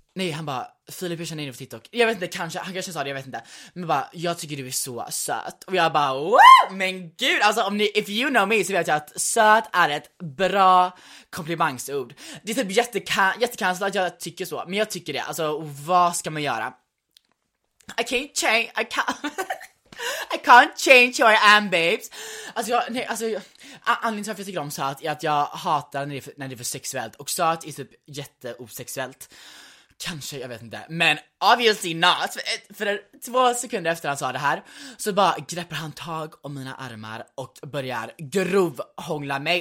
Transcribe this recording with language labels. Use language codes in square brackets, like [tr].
[sv] Nej, han bara, Filip, jag känner in dig på TikTok. Jag vet inte, kanske, han kanske sa det, jag vet inte. Men bara, jag tycker du är så söt. Och jag bara, wow, men gud. Alltså, om ni, if you know me, så vet jag att söt är ett bra komplimangsord. Det är typ jättekanslat att jag tycker så. Men jag tycker det, alltså, vad ska man göra? [en] I can't change, I can't change who I am, babes. [sv] Alltså, jag, nej, alltså anledningen till att jag tycker om söt är att jag hatar när det är för sexuellt. Och söt är typ jätteosexuellt. Kanske, jag vet inte. Men obviously not. För 2 sekunder efter han sa det här så bara greppar han tag om mina armar och börjar grovhångla mig.